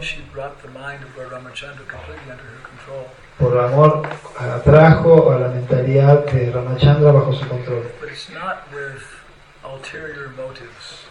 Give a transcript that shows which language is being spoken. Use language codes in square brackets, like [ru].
[en] she brought the mind of Lord Ramachandra completely under her control. [es] Por amor atrajo a la mentalidad de Ramachandra bajo su control. [en] But it's not with ulterior motives.